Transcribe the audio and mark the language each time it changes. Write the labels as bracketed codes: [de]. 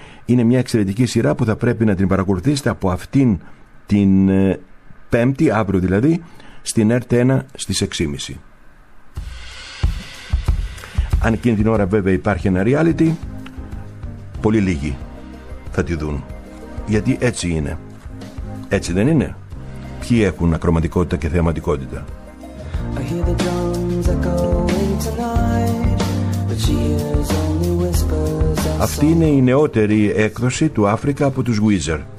[el] Είναι μια εξαιρετική σειρά που θα πρέπει να την παρακολουθήσετε από αυτήν την Πέμπτη, αύριο δηλαδή, στην ΕΡΤ 1 στις 18:30. Αν εκείνη την ώρα βέβαια υπάρχει ένα reality, πολύ λίγοι θα τη δουν. Γιατί έτσι είναι. Έτσι δεν είναι? Ποιοι έχουν ακροματικότητα και θεαματικότητα? [en] I hear the drums echoing tonight, the cheers only whispers. [el] Αυτή είναι η νεότερη έκδοση του Άφρικα από τους Weezer.